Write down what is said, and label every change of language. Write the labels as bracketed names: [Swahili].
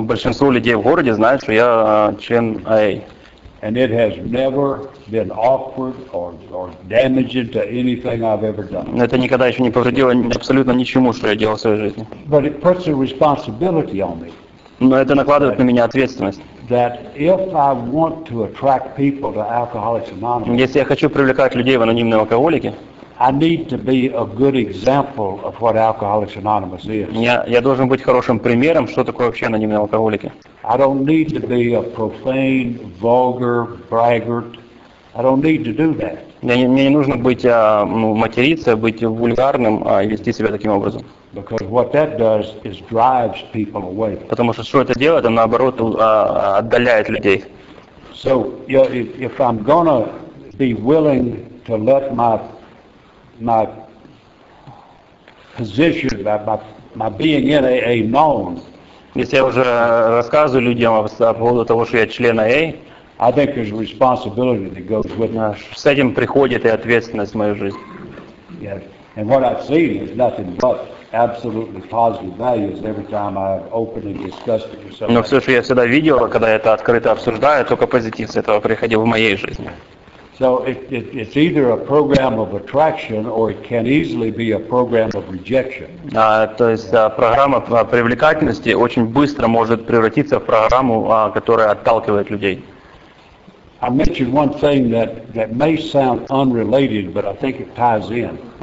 [Russian] Большинство людей в городе знают, что я член AA. [English] And it has never been awkward or damaging to anything I've ever done. [Russian] Это никогда еще не повредило абсолютно ничему, что я делал в своей жизни. [English] But it puts a responsibility on me. [Russian] Но это накладывает на меня ответственность. [English] That if I want to attract people to Alcoholics Anonymous, [Russian] если я хочу привлекать людей в анонимные алкоголики, [English] I need to be a good example of what Alcoholics Anonymous is. [Russian] Я должен быть хорошим примером, что такое вообще анонимные алкоголики. [English] I don't need to be a profane, vulgar braggart. I don't need to do that. [Russian] Мне не нужно быть материться, быть вульгарным и вести себя таким образом. [English] Because what that does is drives people away. [Russian] Потому что это делает, оно наоборот отдаляет людей. [English] So, you know, if I'm gonna be willing to let my position, my being in AA known. [Russian] Если я уже рассказываю людям по поводу того, что я член AA, [English] I think there's a responsibility that goes with us. [Russian] С этим приходит и ответственность в мою жизнь. [English] Yes. And what I've seen is nothing but absolutely positive values every time I open and discuss it with somebody. [Russian] Но все, что я всегда видел, когда это открыто обсуждаю, только позитив с этого приходил в моей жизни. [English] So it's either a program of attraction or it can easily be a program of rejection. [Russian] То есть программа привлекательности очень быстро может превратиться в программу, которая отталкивает людей. [English] I mentioned one thing that may sound unrelated, but I think it ties in.